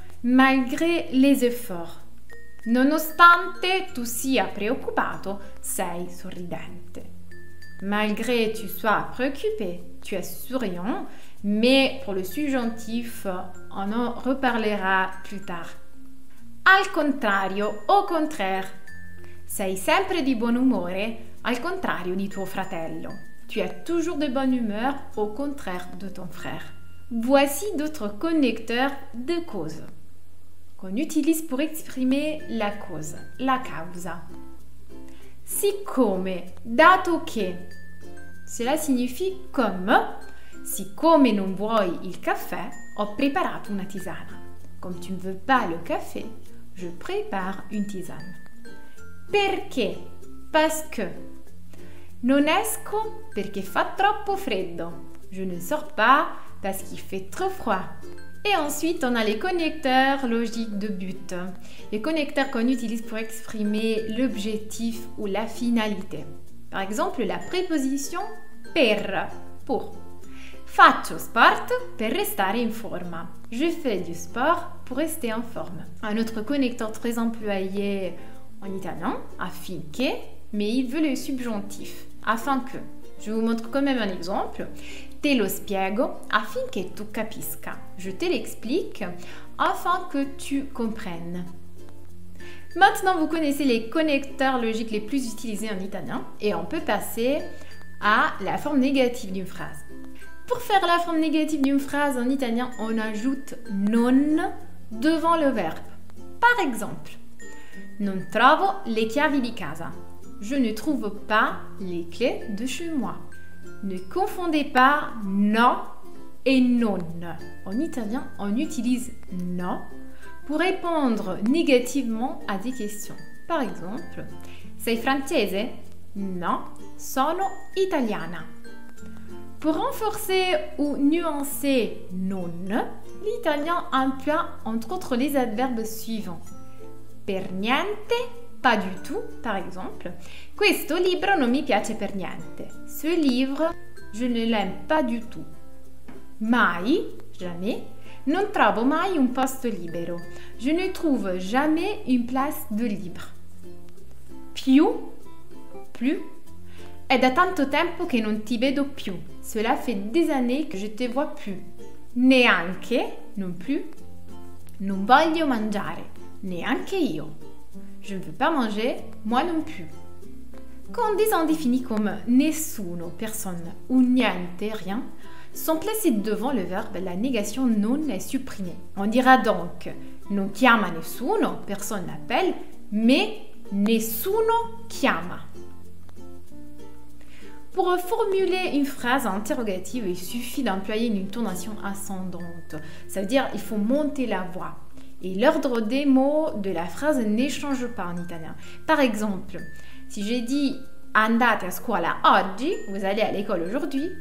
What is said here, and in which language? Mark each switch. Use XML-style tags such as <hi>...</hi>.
<fr>Malgré les efforts,</fr> <it>nonostante tu sia preoccupato, sei sorridente.</it> <fr>Malgré tu sois préoccupé, tu es souriant, mais pour le subjonctif, on en reparlera plus tard.</fr> <it>Al contrario,</it> <fr>au contraire,</fr> <it>Sei sempre di buon umore, al contrario di tuo fratello.</it> <fr>Tu es toujours de bonne humeur, au contraire de ton frère. Voici d'autres connecteurs de cause qu'on utilise pour exprimer la cause, la causa.</fr> <it>Siccome, dato che.</it> <fr>Cela signifie comme.</fr> <it>Siccome non vuoi il caffè, ho preparato una tisana.</it> <fr>Comme tu ne veux pas le café, je prépare une tisane.</fr> <it>Perché?</it> <fr>Parce que.</fr> <it>Non esco perché fa troppo freddo.</it> <fr>Je ne sors pas parce qu'il fait trop froid. Et ensuite, on a les connecteurs logiques de but. Les connecteurs qu'on utilise pour exprimer l'objectif ou la finalité. Par exemple, la préposition per, pour.</fr> <it>Faccio sport per restare in forma.</it> <fr>Je fais du sport pour rester en forme. Un autre connecteur très employé en italien, affinché, mais il veut le subjonctif, afin que. Je vous montre quand même un exemple.</fr> <it>Te lo spiego affinché tu capisca.</it> <fr>Je te l'explique afin que tu comprennes. Maintenant, vous connaissez les connecteurs logiques les plus utilisés en italien et on peut passer à la forme négative d'une phrase. Pour faire la forme négative d'une phrase en italien, on ajoute non devant le verbe. Par exemple,</fr> <it>non trovo le chiavi di casa.</it> <fr>Je ne trouve pas les clés de chez moi. Ne confondez pas no et non. En italien, on utilise no pour répondre négativement à des questions. Par exemple,</fr> <it>sei francese? No, sono italiana.</it> <fr>Pour renforcer ou nuancer non, l'italien emploie entre autres les adverbes suivants.</fr> <it>Per niente,</it> <fr>pas du tout, par exemple.</fr> <it>Questo libro non mi piace per niente.</it> <fr>Ce livre, je ne l'aime pas du tout. Mai, jamais.</fr> <it>Non trovo mai un posto libero.</it> <fr>Je ne trouve jamais une place de libre. Più, plus.</fr> <it>È da tanto tempo che non ti vedo più.</it> <fr>Cela fait des années que je te vois plus. Neanche, non plus.</fr> <it>Non voglio mangiare. Neanche io.</it> <fr>Je ne veux pas manger, moi non plus. Quand des indéfinis comme nessuno, personne ou niente, rien, sont placés devant le verbe, la négation non est supprimée. On dira donc</fr> <it>non chiama nessuno,</it> <fr>personne n'appelle, mais</fr> <it>nessuno chiama.</it> <fr>Pour formuler une phrase interrogative, il suffit d'employer une intonation ascendante. Ça veut dire qu'il faut monter la voix. Et l'ordre des mots de la phrase n'échange pas en italien. Par exemple, si j'ai dit «</fr> <it>andate a scuola oggi</it> <fr>», vous allez à l'école aujourd'hui.</fr>